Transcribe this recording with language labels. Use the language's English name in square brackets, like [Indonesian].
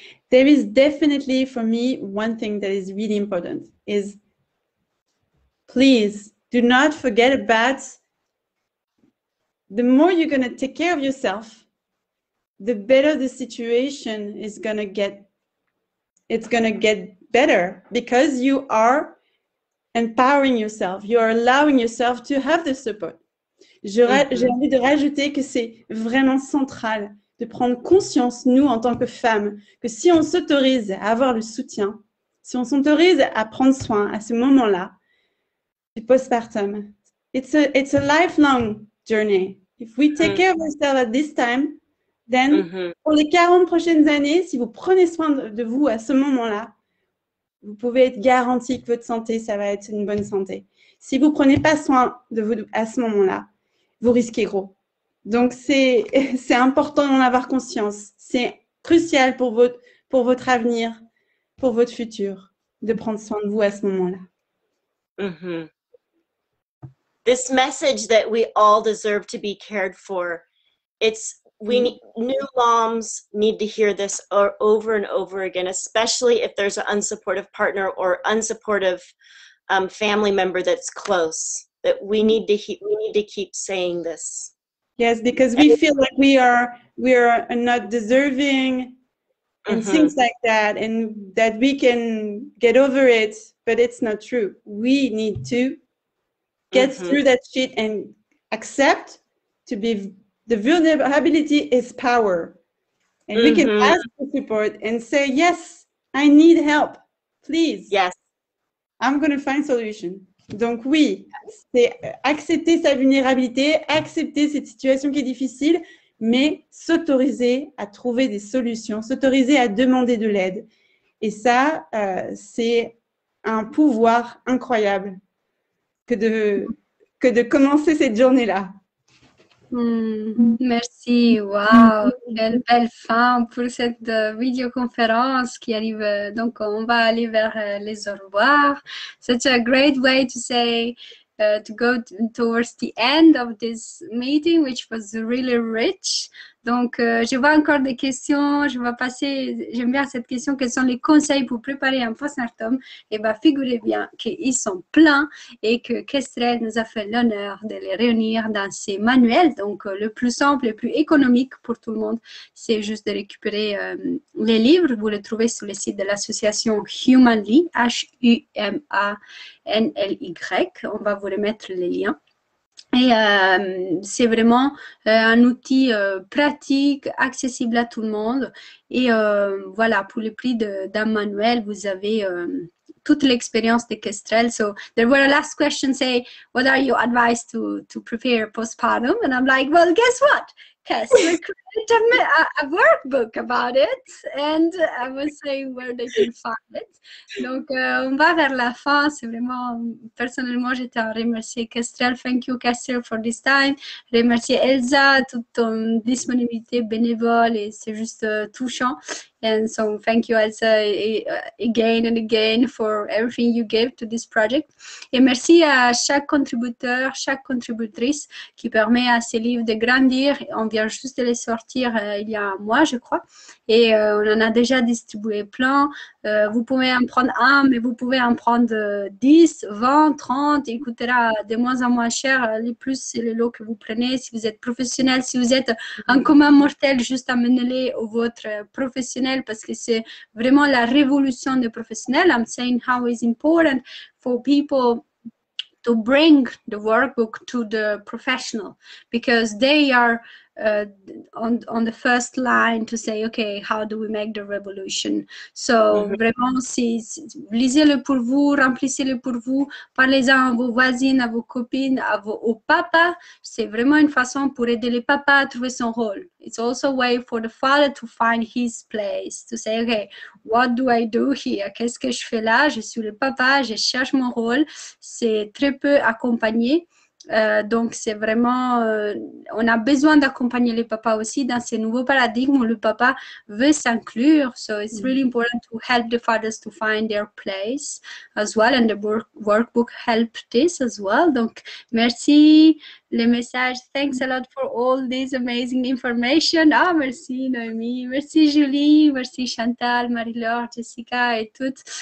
[English] There is definitely for me one thing that is really important is please do not forget about the more you're going to take care of yourself, the better the situation is going to get. It's going to get better because you are empowering yourself, you are allowing yourself to have the support. [French] J'ai envie de rajouter que c'est vraiment central de prendre conscience, nous, en tant que femmes, que si on s'autorise à avoir le soutien, si on s'autorise à prendre soin à ce moment-là, du postpartum, [English] it's a lifelong journey. If we take care of ourselves at this time, then [French] pour les 40 prochaines années, si vous prenez soin de vous à ce moment-là, vous pouvez être garanti que votre santé, ça va être une bonne santé. Si vous ne prenez pas soin de vous à ce moment-là, vous risquez gros. Donc, c'est important d'en avoir conscience. C'est crucial pour votre avenir, pour votre futur, de prendre soin de vous à ce moment-là. [English] This message that we all deserve to be cared for, it's we new moms need to hear this over and over again, especially if there's an unsupportive partner or unsupportive family member that's close, that we need to keep saying this. Yes, because we feel like we are not deserving and things like that, and that we can get over it, but it's not true. We need to get through that shit and accept to be the vulnerability is power. And we can ask for support and say, yes, I need help, please. Yes. I'm going to find solution. [French] Donc oui, c'est accepter sa vulnérabilité, accepter cette situation qui est difficile, mais s'autoriser à trouver des solutions, s'autoriser à demander de l'aide. Et ça, c'est un pouvoir incroyable que de commencer cette journée-là. Merci, wow, quelle belle fin pour cette vidéoconférence qui arrive. Donc on va aller vers les au revoir. Such a great way to say to go towards the end of this meeting, which was really rich. Donc je vois encore des questions. Je vais passer. J'aime bien cette question. Quels sont les conseils pour préparer un postpartum? Et bien, figurez bien qu'ils sont pleins et que Kestrel nous a fait l'honneur de les réunir dans ses manuels. Donc le plus simple, le plus économique pour tout le monde, c'est juste de récupérer les livres. Vous les trouvez sur le site de l'association Humanly, Humanly. On va vous remettre les liens. Et c'est vraiment un outil pratique, accessible à tout le monde. Et voilà, pour le prix d'un manuel, vous avez toute l'expérience de Kestrel. [English] So there were a last question, say, what are your advice to prepare postpartum? And I'm like, well, guess what? Kestrel created a workbook about it. And I was saying where they can find it. [French] Donc, on va vers la fin. C'est vraiment, personnellement, j'étais à remercier Kestrel. [English] Thank you, Kestrel, for this time. [French] Remercier Elsa, toute ton disponibilité bénévole. Et c'est juste touchant. [English] And so thank you Elsa again and again for everything you gave to this project. [French] Et merci à chaque contributeur, chaque contributrice qui permet à ces livres de grandir. On vient juste de les sortir il y a un mois, je crois. Et on en a déjà distribué plein. Vous pouvez en prendre un, mais vous pouvez en prendre 10, 20, 30. Il coûtera de moins en moins cher. Les plus, c'est le lot que vous prenez. Si vous êtes professionnel, si vous êtes un commun mortel, juste amenez-les au votre professionnel. Parce que c'est vraiment la révolution des professionnels. [English] I'm saying how it's important for people to bring the workbook to the professional because they are on the first line to say, okay, how do we make the revolution? So, mm-hmm. [French] Vraiment, lisez-le pour vous, remplissez-le pour vous, parlez-en à vos voisines, à vos copines, à vos papas. C'est vraiment une façon pour aider les papas à trouver son rôle. [English] It's also a way for the father to find his place, to say, okay, what do I do here? [French] Qu'est-ce que je fais là? Je suis le papa, je cherche mon rôle. C'est très peu accompagné. Donc, c'est vraiment, on a besoin d'accompagner les papas aussi dans ces nouveaux paradigmes où le papa veut s'inclure. [English] So, it's really important to help the fathers to find their place as well. And the workbook helped this as well. [French] Donc, merci. Le message, [English] thanks a lot for all this amazing information. [French] Ah, merci Noémie, merci Julie, merci Chantal, Marie-Laure, Jessica et toutes.